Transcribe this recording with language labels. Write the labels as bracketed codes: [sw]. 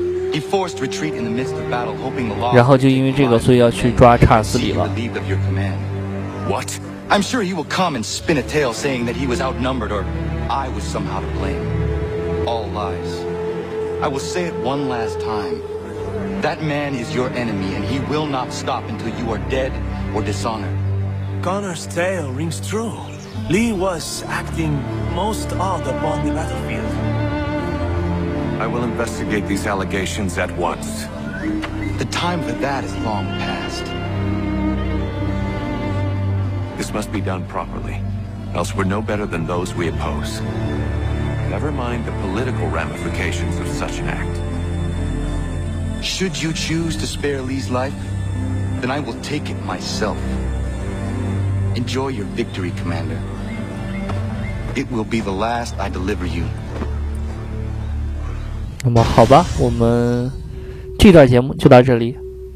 [en] He forced retreat in the midst of battle, hoping the law. [zh] 然后就因为这个，所以要去抓查尔斯·李了。 [en] Relieved of your command. What? I'm sure he will come and spin a tale saying that he was outnumbered or I was somehow to blame. All lies. I will say it one last time. That man is your enemy, and he will not stop until you are dead or dishonored. Connor's tale rings true. Lee was acting most odd upon the battlefield. I will investigate these allegations at once. The time for that is long past. This must be done properly, else we're no better than those we oppose. Never mind the political ramifications of such an act. Should you choose to spare Lee's life, then I will take it myself. Enjoy your victory, Commander. It will be the last I deliver you. [zh] 那么好吧，我们这段节目就到这里。